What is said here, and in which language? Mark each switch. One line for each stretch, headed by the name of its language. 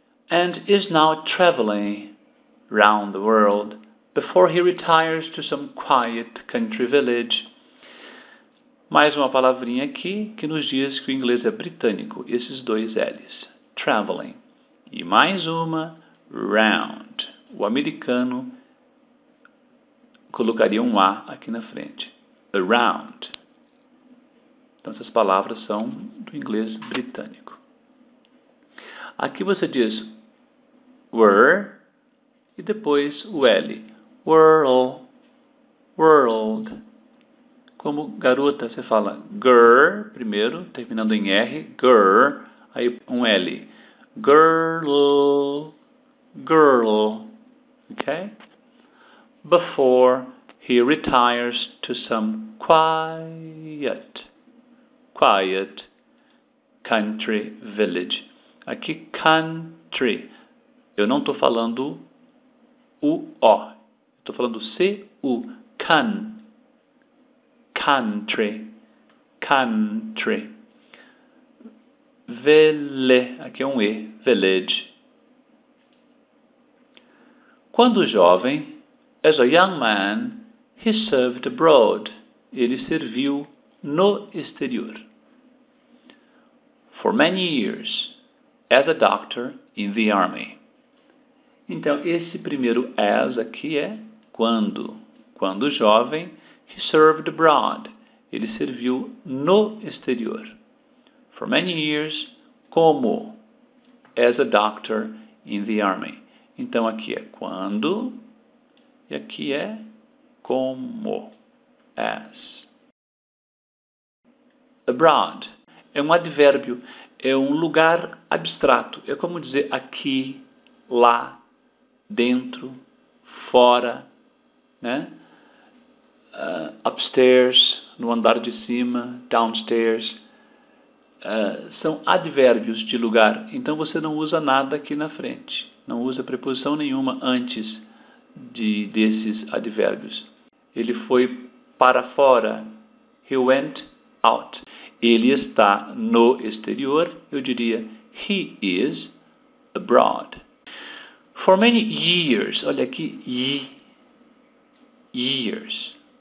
English: And is now traveling round the world before he retires to some quiet country village.
Portuguese: Mais uma palavrinha aqui que nos diz que o inglês é britânico. Esses dois L's. Traveling. E mais uma. Round. O americano colocaria um A aqui na frente. Around. Então essas palavras são do inglês britânico. Aqui você diz were e depois o L. Whirl, world. Como garota, você fala girl, primeiro, terminando em R, girl, aí um L.
English: Girl, girl, ok? Before he retires to some quiet, quiet country village.
Portuguese: Aqui, country, eu não estou falando o O. Estou falando C, U, can, country, country, vele, aqui é um E, village. Quando jovem,
English: as a young man, he served abroad,
Portuguese: ele serviu no exterior.
English: For many years, as a doctor in the army.
Portuguese: Então, esse primeiro as aqui é... Quando? Quando jovem,
English: he served abroad.
Portuguese: Ele serviu no exterior.
English: For many years,
Portuguese: como?
English: As a doctor in the army.
Portuguese: Então, aqui é quando e aqui é como. As. Abroad é um advérbio, é um lugar abstrato. É como dizer aqui, lá, dentro, fora. Né? Upstairs, no andar de cima, downstairs, são advérbios de lugar, então você não usa nada aqui na frente, não usa preposição nenhuma antes desses advérbios. Ele foi para fora,
English: he went out.
Portuguese: Ele está no exterior, eu diria,
English: he is abroad. For many years,
Portuguese: olha aqui,
English: years.